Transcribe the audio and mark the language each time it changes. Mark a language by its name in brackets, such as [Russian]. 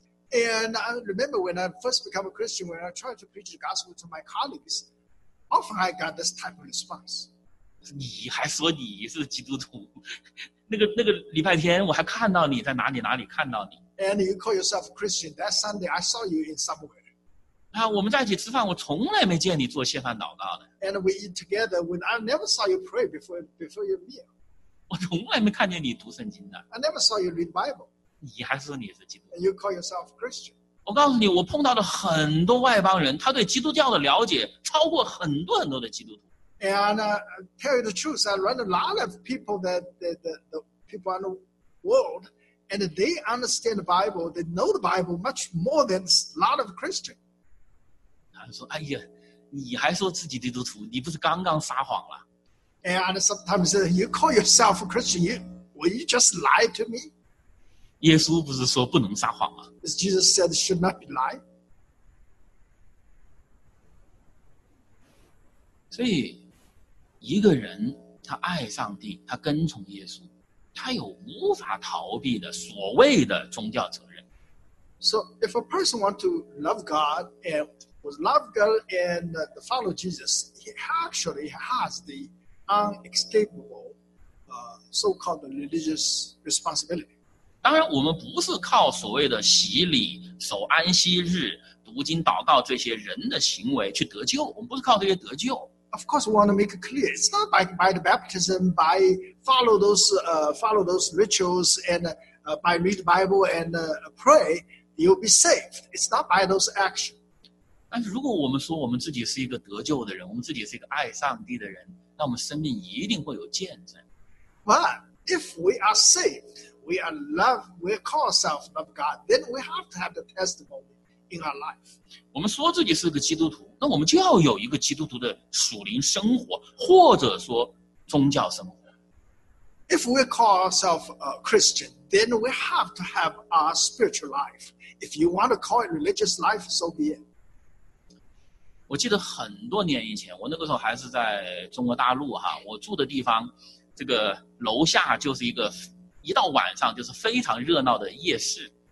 [English] And I remember when I first became a Christian, when I tried to preach the gospel to my colleagues, often I got this type of response. [Chinese] 你还说你是基督徒？那个礼拜天我还看到你在哪里看到你。 [English] And you call yourself a Christian. That Sunday, I saw you in somewhere. [Chinese] 啊，我们在一起吃饭，我从来没见你做献饭祷告的。 [English] And we eat together when I never saw you pray before your meal. [Chinese] 我从来没看见你读圣经的。 [English] I never saw you read Bible. [Chinese] 你还说你是基督徒。 [English] And you call yourself a Christian. [Chinese] 我告诉你，我碰到了很多外邦人，他对基督教的了解超过很多很多的基督徒。 [English] And tell you the truth, I run a lot of people that the people in the world. And they understand the Bible, they know the Bible much more than a lot of Christians. [Chinese] 他说，哎呀，你还说自己基督徒，你不是刚刚撒谎了？ [English] And sometimes they say, you call yourself a Christian, will you just lie to me? [Chinese] 耶稣不是说不能撒谎吗？ [English] Jesus said, should not be lied. [Chinese] 所以，一个人他爱上帝，他跟从耶稣。他有无法逃避的所谓的宗教责任。 [English] So if a person wants to love God and was love God and follow Jesus, he actually has the unescapable, so-called religious responsibility. [Chinese] 当然，我们不是靠所谓的洗礼、守安息日、读经、祷告这些人的行为去得救。我们不是靠这些得救。 [English] Of course, we want to make it clear. It's not by the baptism, by follow those rituals, and by read the Bible and pray, you'll be saved. It's not by those actions. [Chinese] 但是如果我们说我们自己是一个得救的人，我们自己是一个爱上帝的人，那我们生命一定会有见证。 [English] But if we are saved, we call ourselves love God, then we have to have the testimony. In our life, [Chinese] 我们说自己是个基督徒，那我们就要有一个基督徒的属灵生活，或者说宗教生活。 [English] If we call ourselves a Christian, then we have to have our spiritual life. If you want to call it religious life, so be it. [Chinese] 我记得很多年以前，我那个时候还是在中国大陆哈，我住的地方，这个楼下就是一个，一到晚上就是非常热闹的夜市。